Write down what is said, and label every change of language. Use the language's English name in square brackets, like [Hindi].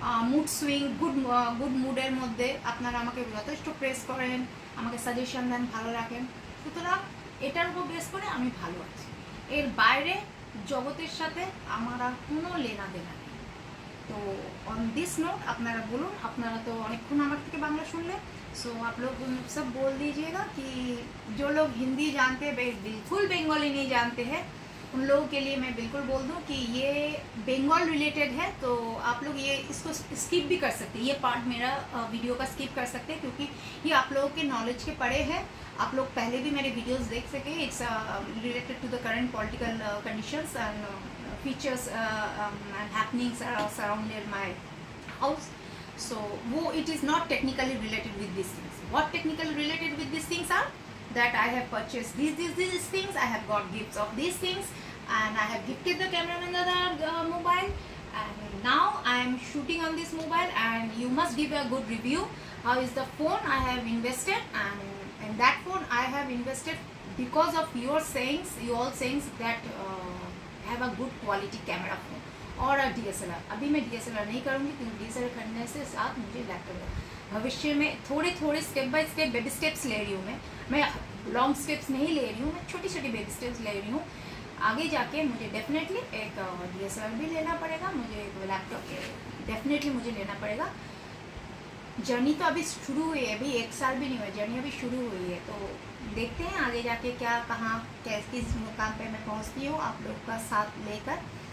[Bangla] Mood swing, good মুডের মধ্যে আপনারা আমাকে যথেষ্ট প্রেস করেন, আমাকে সাজেশন দেন, ভালো রাখেন, সুতরাং এটার উপর বেস করে আমি ভালো আছি, এর বাইরে জগতের সাথে আমার আর কোনো লেনা দেনা নেই। তো [English] on this note [Bangla] আপনারা বলুন, আপনারা তো অনেকক্ষণ আমার থেকে বাংলা শুনলেন, [Hindi] सो आप लोग सब बोल दीजिएगा कि जो लोग हिंदी जानते हैं बिल्कुल बंगाली नहीं जानते हैं उन लोगों के लिए मैं बिल्कुल बोल दूं कि ये बंगाल रिलेटेड है, तो आप लोग ये इसको स्किप भी कर सकते हैं, ये पार्ट मेरा वीडियो का स्किप कर सकते हैं, क्योंकि ये आप लोगों के नॉलेज के परे है। आप लोग पहले भी मेरे वीडियोस देख सके, [English] It's related to the current political conditions and features and happenings surrounded my house. So वो it is not technically related with this things. What technically related with this things are that I have purchased these things, I have got gifts of these things, and I have gifted the cameraman the mobile, and now I am shooting on this mobile, and you must give a good review, how is the phone I have invested, and in that phone I have invested because of your sayings, you all sayings that have a good quality camera phone, or a DSLR, [Hindi] abhi main DSLR nahi karungi, kyunki DSLR khareedne se saath mujhe laptop hai। भविष्य में थोड़े थोड़े step by step baby steps ले रही हूँ, मैं long steps नहीं ले रही हूँ, मैं छोटी छोटी बेबी स्टेप्स ले रही हूँ। आगे जाके मुझे डेफिनेटली एक DSLR भी लेना पड़ेगा, मुझे एक लैपटॉप डेफिनेटली मुझे लेना पड़ेगा। जर्नी तो अभी शुरू हुई है, अभी एक साल भी नहीं हुआ, जर्नी अभी शुरू हुई है, तो देखते हैं आगे जाके क्या कहाँ कैसे इस मुकाम पर मैं पहुँचती हूँ आप लोग का साथ लेकर।